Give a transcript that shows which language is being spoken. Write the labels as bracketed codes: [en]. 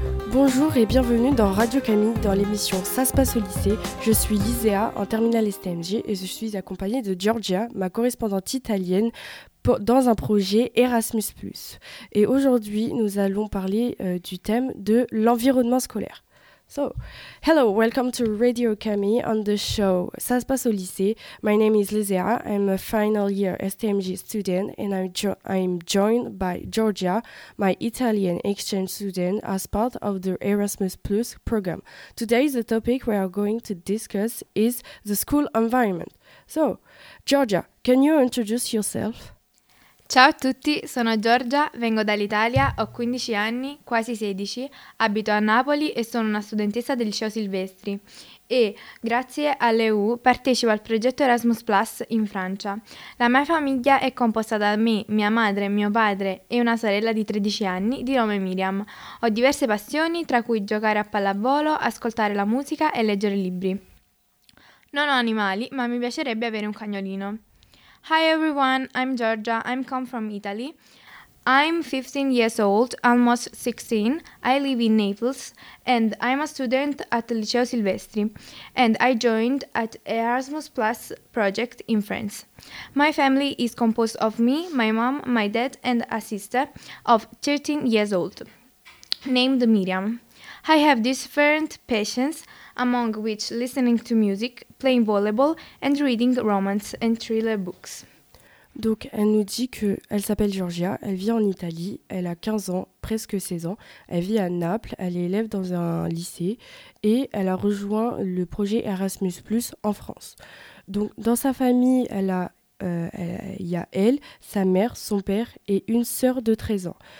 [fr] Bonjour et bienvenue dans Radio Camille, dans l'émission Ça se passe au lycée. Je suis Lisea, en terminale STMG, et je suis accompagnée de Giorgia, ma correspondante italienne, dans un projet Erasmus+. Et aujourd'hui, nous allons parler du thème de l'environnement scolaire. [en] So, hello, welcome to Radio Camille on the show Ça se passe au lycée. My name is Lisea, I'm a final year STMG student, and I'm joined by Giorgia, my Italian exchange student, as part of the Erasmus+ program. Today, the topic we are going to discuss is the school environment. So, Giorgia, can you introduce yourself? [it] Ciao a tutti, sono Giorgia, vengo dall'Italia, ho 15 anni, quasi 16, abito a Napoli e sono una studentessa del liceo Silvestri e, grazie all'EU, partecipo al progetto Erasmus+ in Francia. La mia famiglia è composta da me, mia madre, mio padre e una sorella di 13 anni, di nome Miriam. Ho diverse passioni, tra cui giocare a pallavolo, ascoltare la musica e leggere libri. Non ho animali, ma mi piacerebbe avere un cagnolino. [en] Hi everyone, I'm Giorgia, I come from Italy. I'm 15 years old, almost 16, I live in Naples, and I'm a student at Liceo Silvestri, and I joined at Erasmus+ project in France. My family is composed of me, my mom, my dad, and a sister of 13 years old, named Miriam. I have different passions, among which listening to music, playing volleyball and reading romance and thriller books. [fr] Donc, elle nous dit qu'elle s'appelle Giorgia, elle vit en Italie, elle a 15 ans, presque 16 ans, elle vit à Naples, elle est élève dans un lycée et elle a rejoint le projet Erasmus+ en France. Donc, dans sa famille, il y a elle, sa mère, son père et une sœur de 13 ans.